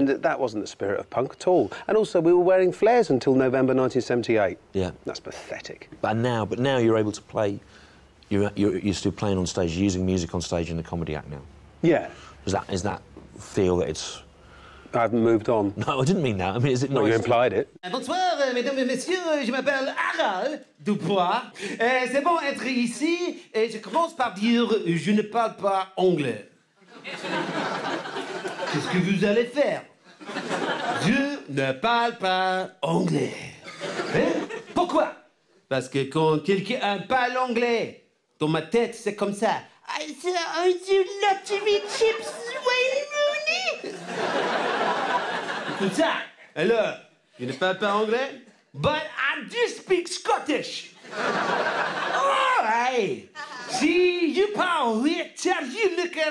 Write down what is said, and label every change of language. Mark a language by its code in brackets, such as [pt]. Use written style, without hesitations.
[en] And that wasn't the spirit of punk at all. And also, we were wearing flares until November 1978. Yeah. That's pathetic. But now you're able to play, you're still playing on stage, you're using music on stage in the comedy act now. Yeah. Is that feel that it's... I haven't moved on. No, I didn't mean that. I mean, is it nice? Well, you implied it. [fr] Bonsoir, mesdames et messieurs, je m'appelle Harald Dupois. C'est bon d'être ici, et je commence par dire je ne parle pas anglais. Qu'est-ce que vous allez faire? Je ne parle pas anglais. Hein? Pourquoi? Parce que quand quelqu'un parle anglais, dans ma tête, c'est comme ça. [en] I said, I do not to be chips, Wayne Mooney. [fr] Écoute ça. Alors, tu ne parles pas anglais? [en] But I do speak Scottish. All right. See, you parle with Charlie Looker.